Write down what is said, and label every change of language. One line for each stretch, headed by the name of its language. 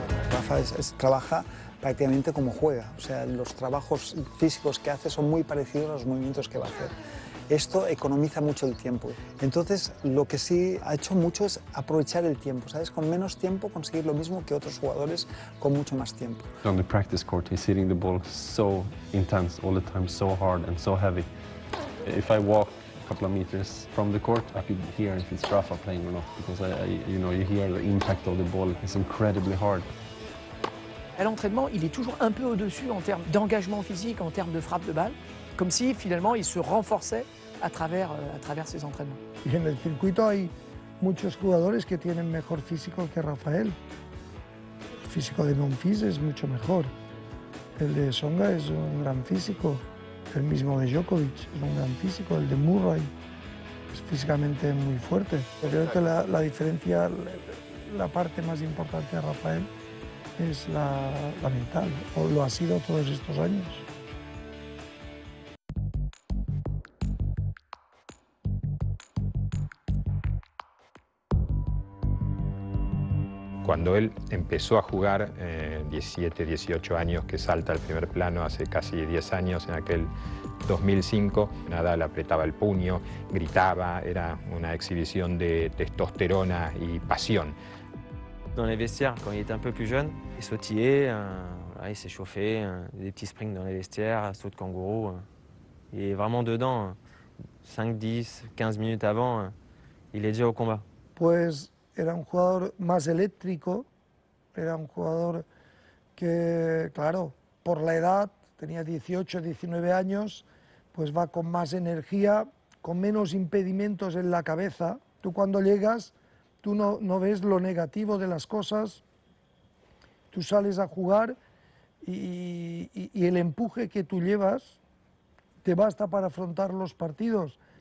Spanish: Rafa
French: travaille
Spanish: prácticamente como juega, o sea, los trabajos físicos que hace son muy parecidos a los movimientos que va a hacer. Esto economiza mucho el tiempo. Entonces, lo que sí ha hecho mucho es aprovechar el tiempo, ¿sabes? Con menos tiempo conseguir lo mismo que otros jugadores con mucho más tiempo.
English: On the practice court, he's hitting the ball so intense all the time, so hard and so heavy. If I walk a couple of meters from the court, I could hear if it's Rafa playing or not, because you know, you hear the impact of the ball. It's incredibly hard.
French: À l'entraînement, il est toujours un peu au-dessus en termes d'engagement physique, en termes de frappe de balle, comme si finalement il se renforçait à travers ses entraînements.
Spanish: En el circuito hay muchos jugadores que tienen mejor físico que Rafael. El físico de Monfils es mucho mejor. El de Songa es un gran físico. El mismo de Djokovic es un gran físico. El de Murray es físicamente muy fuerte. Creo que la diferencia, la parte más importante de Rafael, es la mental, o lo ha sido todos estos años. Cuando él empezó a jugar, 17, 18 años, que salta al primer plano hace casi 10 años, en aquel 2005, Nadal apretaba el puño, gritaba, era una exhibición de testosterona y pasión.
French: Dans les vestiaires, quand il était un peu plus jeune, il sautillait, voilà, il s'est chauffé, des petits sprints dans les vestiaires, saut de kangourou. Il est vraiment dedans, 5, 10, 15 minutes avant, il est déjà au combat.
Spanish: Pues era un jugador más eléctrico, era un jugador que, claro, por la edad, tenía 18, 19 años, pues va con más energía, con menos impedimentos en la cabeza. Tú cuando llegas, tú no ves lo negativo de las cosas, tú sales a jugar y el empuje que tú llevas te basta para afrontar los partidos.